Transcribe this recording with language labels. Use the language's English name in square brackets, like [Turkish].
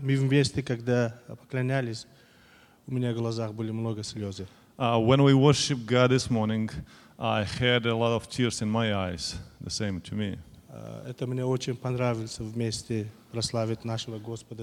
[Russian] Мы вместе, когда поклонялись, у меня в глазах были много слез. [English] When we worship God this morning, I had a lot of tears in my eyes. The same to me. [Russian] Это мне очень понравилось вместе прославить нашего Господа.